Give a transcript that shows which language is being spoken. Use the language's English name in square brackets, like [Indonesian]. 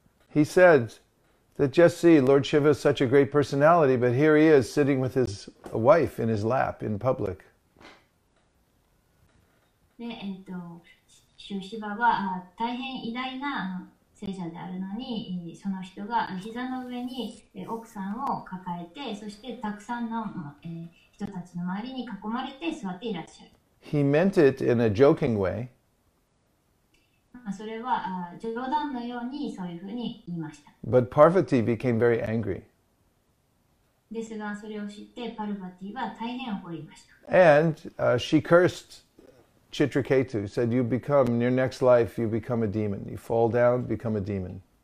[English] He said that just see, Lord Shiva is such a great personality, but here he is sitting with his wife in his lap in public. [Japanese] で、シュシバは大変偉大な聖者であるのに、その人が膝の上に奥さんを抱えて、そしてたくさんの人たちの周りに囲まれて座っていらっしゃる。 [English] He meant it in a joking way. [Japanese] それは冗談のようにそういうふうに言いました。 [English] But Parvati became very angry. [Japanese] ですが、それを知ってパルバティは大変怒りました。 [English] And she cursed. Chitraketu said, you become, in your next life, you become a demon. You fall down, become a demon.